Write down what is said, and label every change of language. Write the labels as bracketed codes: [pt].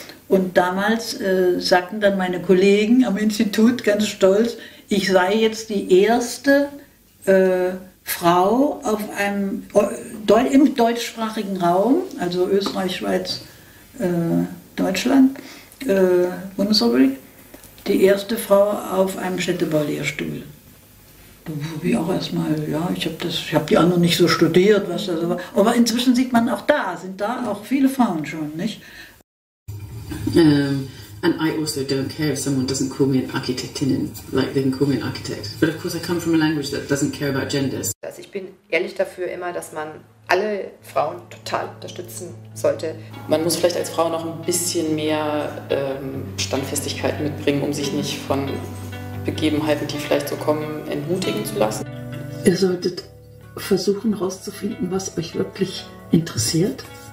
[de] Und damals sagten dann meine Kollegen am Institut ganz stolz, ich sei jetzt die erste Frau auf einem im deutschsprachigen Raum, also Österreich, Schweiz, Deutschland, Bundesrepublik, die erste Frau auf einem Städtebaulehrstuhl. Da habe ich auch erstmal, ja, ich habe die anderen nicht so studiert, was das war. Aber inzwischen sieht man auch da, sind da auch viele Frauen schon, nicht? [en] And I also don't care if someone doesn't call me an Architektin, like they can call me an architect. But of course I come from a language that doesn't care about genders. [de] Also ich bin ehrlich dafür immer, dass man alle Frauen total unterstützen sollte. Man muss vielleicht als Frau noch ein bisschen mehr Standfestigkeit mitbringen, um sich nicht von Begebenheiten, die vielleicht so kommen, entmutigen zu lassen. Ihr solltet versuchen herauszufinden, was euch wirklich interessiert.